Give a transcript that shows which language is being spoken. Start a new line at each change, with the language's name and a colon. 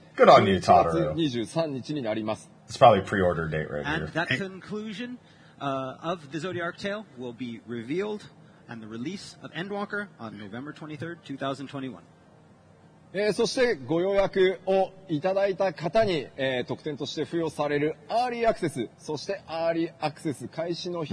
Japanese: 第1章完結。それを迎える行月のフィナーレのリリース日は改めまして2021年1月23日になります。
English: It's probably pre-ordered date right here. And that conclusion of the Zodiac Tale will be revealed and the release of Endwalker on November 23rd, 2021.
Japanese: そしてご予約をいただいた方に特典として付与されるアーリーアクセス、そしてアーリーアクセス開始の日。